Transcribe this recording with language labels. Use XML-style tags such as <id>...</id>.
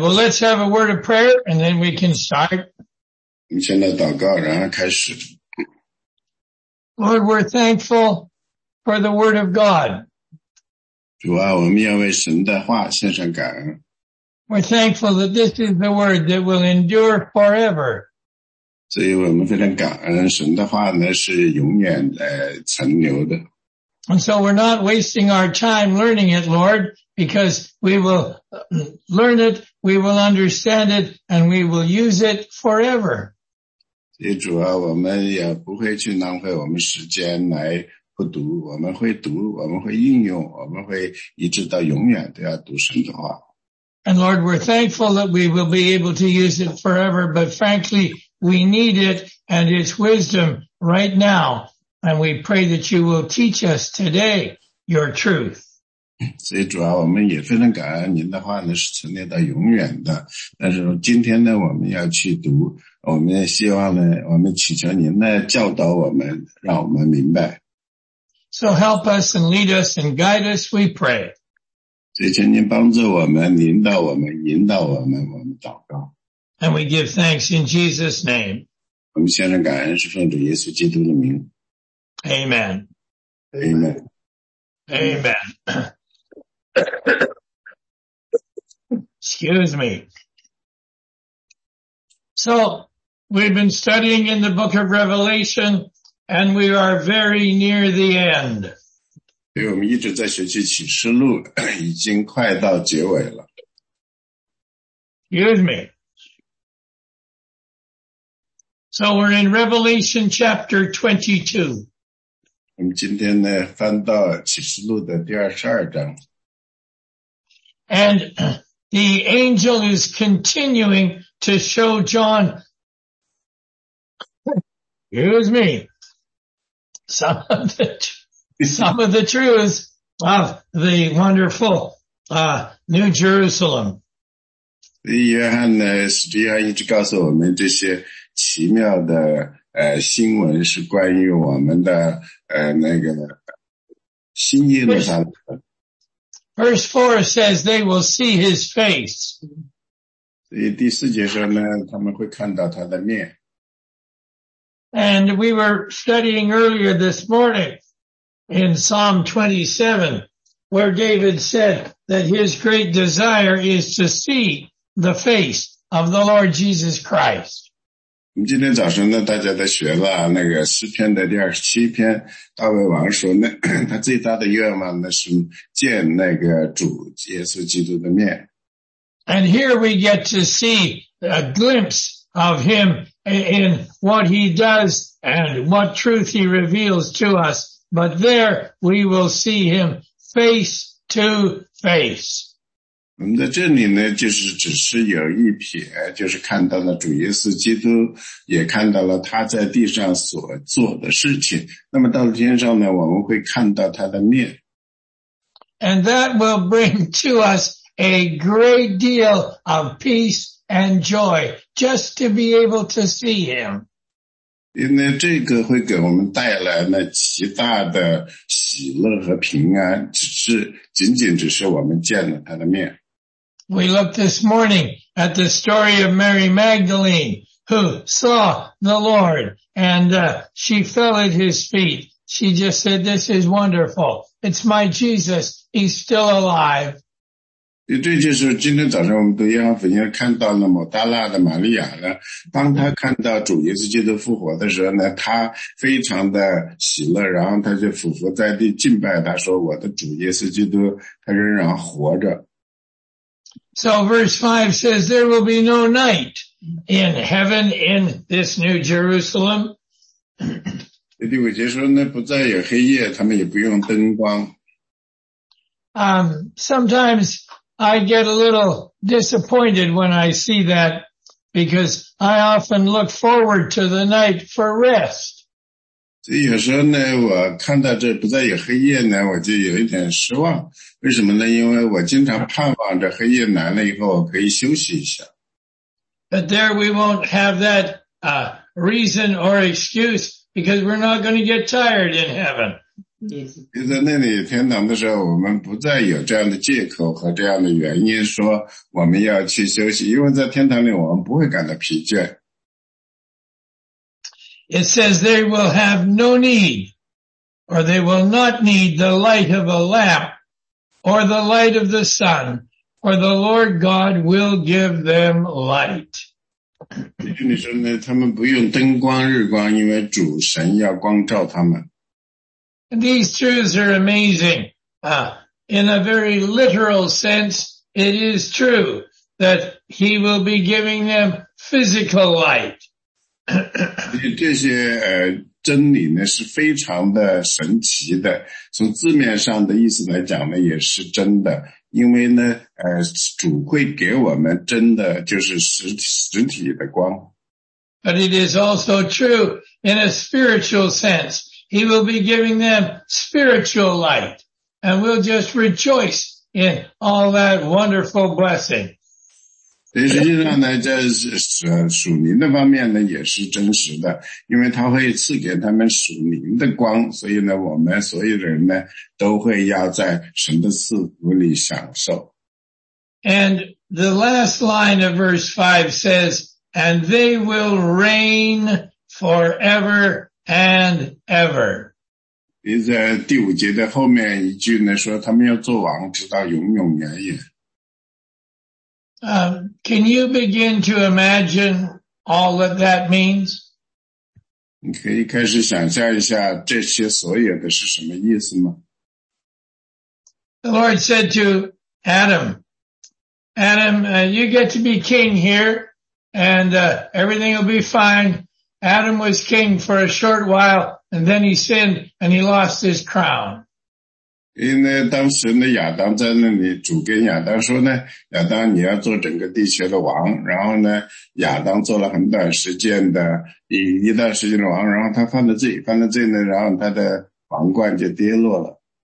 <en>Well, let's have a word of prayer and then we can start.</en> <zh>现在祷告，然后开始。</zh> <en>Lord, we're thankful for the word of God.</en> <zh>主啊，我们要为神的话献上感恩。</zh> <en>We're thankful that this is the word that will endure forever.</en> <zh>所以我们非常感恩，神的话呢是永远存留的。</zh> <en>And so we're not wasting our time learning it, Lord, because we will learn it, we will understand it, and we will use it forever.</en> <zh>所以主啊，我们也不会去浪费我们时间来不读，我们会读，我们会应用，我们会一直到永远都要读神的话。</zh> <en>And Lord, we're thankful that we will be able to use it forever, but frankly, we need it and its wisdom right now. And we pray that you will teach us today your truth.</en> <zh>所以主啊，我们也非常感恩您的话呢是存留到永远的。但是今天呢，我们要去读，我们也希望呢，我们祈求您呢教导我们，让我们明白。</zh> <en>So help us and lead us and guide us, we pray.</en> <zh>所以请您帮助我们，领导我们，引导我们，我们祷告。</zh> <en>And we give thanks in Jesus' name.</en> <zh>我们献上感恩，是奉主耶稣基督的名。</zh> <en>Amen. Amen. Amen. Excuse me. So, we've been studying in the book of Revelation, and we are very near the end.</en> <zh>所以我们一直在学习启示录，已经快到结尾了。</zh> <en>Excuse me. So we're in Revelation chapter 22.</en> <zh>我们今天呢，翻到启示录的第22章。</zh> <en>And the angel is continuing to show John. Excuse me. Some of the truths of the wonderful, New Jerusalem.</en> <zh>约翰呢，使徒约翰一直告诉我们这些奇妙的新闻是关于我们的那个新耶路撒冷。</zh> <en>Verse 4 says they will see his face.</en> <zh>所以第四节说呢，他们会看到他的面。</zh> <en>And we were studying earlier this morning. In Psalm 27, where David said that his great desire is to see the face of the Lord Jesus Christ.</en> <zh>我们今天早上呢，大家都学了那个诗篇的第27篇，大卫王说呢，他最大的愿望呢是见那个主耶稣基督的面。</zh> <en>And here we get to see a glimpse of him in what he does and what truth he reveals to us. But there we will see him face to face.</en> <zh>我们在这里呢，就是只是有一瞥，就是看到了主耶稣基督，也看到了他在地上所做的事情。那么到了天上呢，我们会看到他的面。</zh> <en>And that will bring to us a great deal of peace and joy just to be able to see him.</en> <zh>因为这个会给我们带来那极大的喜乐和平安，仅仅只是我们见了他的面。</zh> <en>We looked this morning at the story of Mary Magdalene, who saw the Lord, and she fell at his feet. She just said, "This is wonderful. It's my Jesus. He's still alive."</en> <zh>这就是今天早上我们读约翰福音看到了抹大拉的玛利亚呢，当他看到主耶稣基督复活的时候呢，他非常的喜乐，然后他就俯伏在地敬拜他，说我的主耶稣基督他仍然活着。</zh> <en>So verse 5 says there will be no night in heaven in this new Jerusalem.</en> <zh>第五节说呢，不再有黑夜，他们也不用灯光。</zh> <en>Sometimes,I get a little disappointed when I see that because I often look forward to the night for rest.</en> <zh>所以有时候呢，我看到这不再有黑夜呢，我就有一点失望。为什么呢？因为我经常盼望着黑夜来了以后，我可以休息一下。</zh> <en>But there we won't have that reason or excuse because we're not going to get tired in heaven.</en> <zh>就在那里天堂的时候，我们不再有这样的借口和这样的原因说我们要去休息，因为在天堂里我们不会感到疲倦。</zh> <en>It says they will have no need, or they will not need the light of a lamp, or the light of the sun, or the Lord God will give them light.</en> <zh>也就是说呢，他们不用灯光日光，因为主神要光照他们。</zh> <en>These truths are amazing. In a very literal sense, it is true that he will be giving them physical light.</en> <zh>这些真理呢是非常的神奇的。从字面上的意思来讲呢也是真的。因为呢主会给我们真的就是实体的光。</zh> <en>But it is also true in a spiritual sense. He will be giving them spiritual light, and we'll just rejoice in all that wonderful blessing.</en> <zh>实际上呢，在属灵的方面呢，也是真实的，因为他会赐给他们属灵的光，所以呢，我们所有人呢，都会要在神的赐福里享受。</zh> <en>And the last line of verse 5 says, "And they will reign forever." And ever.</en> <zh>在第五节的后面一句呢说他们要做王直到永永远远。</zh> <en>Can you begin to imagine all that that means?</en> <zh>你可以开始想象一下这些所有的是什么意思吗</zh> <en>?The Lord said to Adam, you get to be king here, and everything will be fine. Adam was king for a short while, and then he sinned, and he lost his crown.</en> <zh>因为当时呢，亚当在那里，主跟亚当说呢，亚当你要做整个地球的王。然后呢，亚当做了很短时间的一段时间的王，然后他犯了罪呢，然后他的王冠就跌落了。</zh>